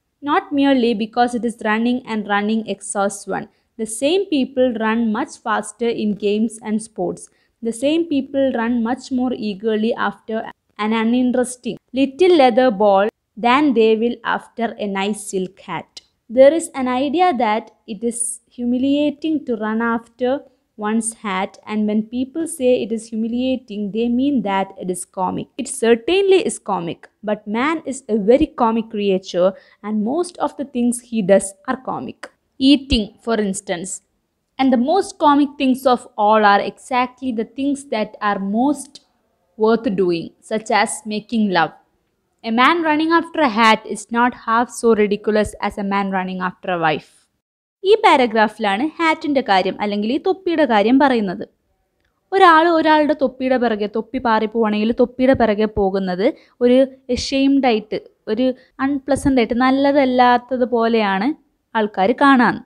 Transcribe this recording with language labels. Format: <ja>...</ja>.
<en>Not merely because it is running and running exhaust one. The same people run much faster in games and sports. The same people run much more eagerly after an uninteresting little leather ball than they will after a nice silk hat. There is an idea that it is humiliating to run after one's hat, and when people say it is humiliating, they mean that it is comic. It certainly is comic, but man is a very comic creature, and most of the things he does are comic. Eating, for instance. And the most comic things of all are exactly the things that are most worth doing, such as making love. A man running after a hat is not half so ridiculous as a man running after a wife.</en> <ml>ഈ പാരഗ്രാഫിലാണ് ഹാറ്റിൻ്റെ കാര്യം അല്ലെങ്കിൽ ഈ തൊപ്പിയുടെ കാര്യം പറയുന്നത്. ഒരാൾ ഒരാളുടെ തൊപ്പിയുടെ പിറകെ, തൊപ്പി പാറി പോവുകയാണെങ്കിൽ തൊപ്പിയുടെ പിറകെ പോകുന്നത് ഒരു എഷെയിംഡ് ആയിട്ട്, ഒരു അൺപ്ലസൻ്റ് ആയിട്ട്, നല്ലതല്ലാത്തത് പോലെയാണ് ആൾക്കാർ കാണാൻ.</ml>